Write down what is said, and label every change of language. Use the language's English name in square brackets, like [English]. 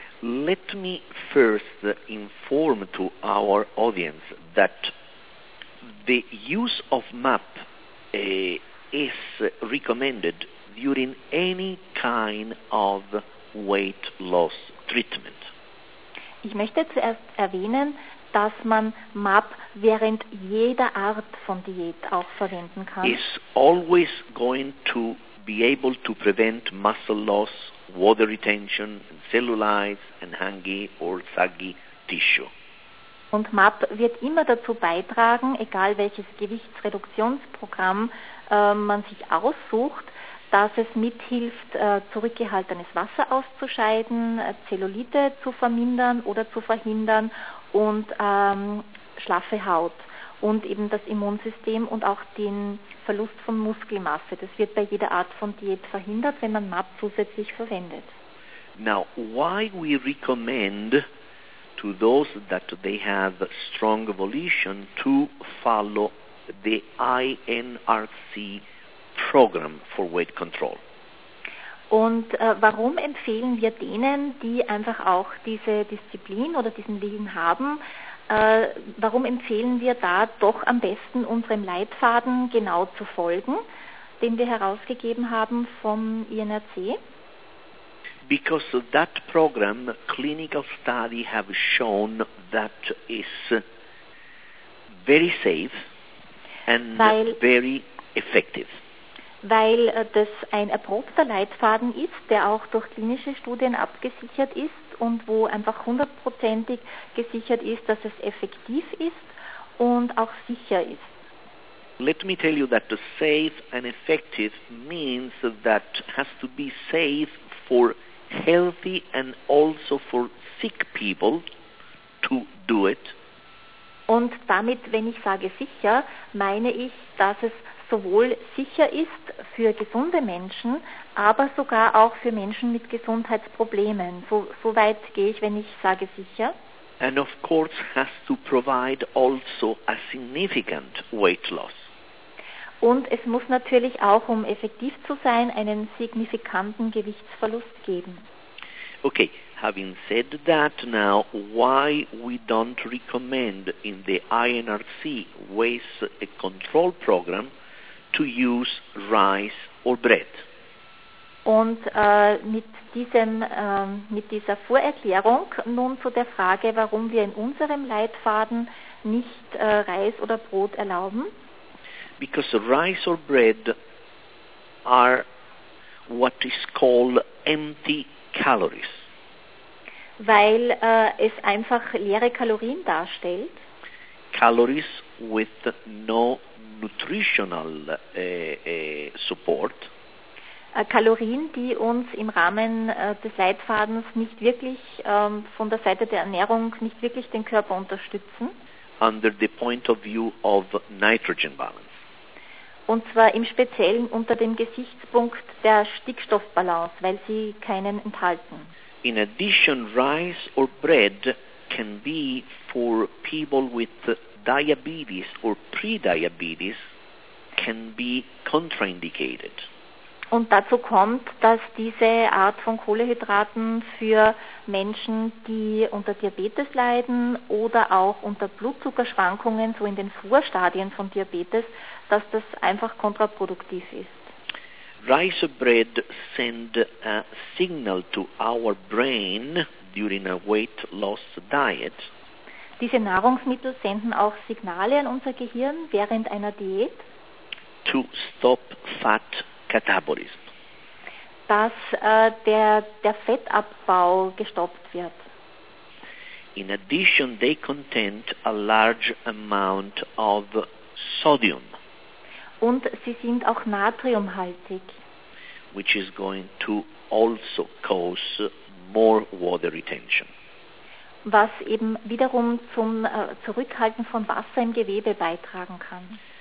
[English] Let me first inform to our audience that the use of MAP is recommended during any kind of weight loss treatment. [German] Ich möchte zuerst erwähnen, dass man MAP während jeder Art von Diät auch verwenden kann. [English] It's always going to be able to prevent muscle loss, water retention, cellulite and hangy or saggy tissue. [German] Und MAP wird immer dazu beitragen, egal welches Gewichtsreduktionsprogramm man sich aussucht, dass es mithilft, zurückgehaltenes Wasser auszuscheiden, Zellulite zu vermindern oder zu verhindern und schlaffe Haut. Und eben das Immunsystem und auch den Verlust von Muskelmasse. Das wird bei jeder Art von Diät verhindert, wenn man MAP zusätzlich verwendet. [English] Now, why we recommend to those that they have strong volition to follow the INRC program for weight control? [German] Und warum empfehlen wir denen, die einfach auch diese Disziplin oder diesen Willen haben, warum empfehlen wir da doch am besten unserem Leitfaden genau zu folgen, den wir herausgegeben haben vom INRC? [English] Because that program, clinical study have shown that is very safe and very effective. [German] Weil das ein erprobter Leitfaden ist, der auch durch klinische Studien abgesichert ist, und wo einfach hundertprozentig gesichert ist, dass es effektiv ist und auch sicher ist. [English] Let me tell you that safe and effective means that has to be safe for healthy and also for sick people to do it. [German] Und damit, wenn ich sage sicher, meine ich, dass es sowohl sicher ist für gesunde Menschen, aber sogar auch für Menschen mit Gesundheitsproblemen. So weit gehe ich, wenn ich sage sicher. [English] And of course has to provide also a significant weight loss. [German] Und es muss natürlich auch, um effektiv zu sein, einen signifikanten Gewichtsverlust geben. [English] Okay, having said that, now why we don't recommend in the INRC Weight Control Program to use rice or bread. [German] Und mit dieser Vorerklärung nun zu der Frage, warum wir in unserem Leitfaden nicht Reis oder Brot erlauben. [English] Because rice or bread are what is called empty calories. [German] Weil es einfach leere Kalorien darstellt. [English] Calories with no nutritional support. [German] Kalorien, die uns im Rahmen des Leitfadens nicht wirklich von der Seite der Ernährung nicht wirklich den Körper unterstützen. [English] Under the point of view of nitrogen balance. [German] Und zwar im Speziellen unter dem Gesichtspunkt der Stickstoffbalance, weil sie keinen enthalten. [English] In addition, rice or bread can be for people with diabetes or pre-diabetes can be contraindicated. [German] Und dazu kommt, dass diese Art von Kohlehydraten für Menschen, die unter Diabetes leiden oder auch unter Blutzuckerschwankungen, so in den Vorstadien von Diabetes, dass das einfach kontraproduktiv ist. [English] Rice or bread send a signal to our brain during a weight loss diet. [German] Diese Nahrungsmittel senden auch Signale an unser Gehirn während einer Diät. [English] To stop fat catabolism. [German] Dass der Fettabbau gestoppt wird. [English] In addition, they contain a large amount of sodium. [German] Und sie sind auch natriumhaltig. [English] Which is going to also cause more water retention. [German] Was eben wiederum zum Zurückhalten von Wasser im Gewebe beitragen kann.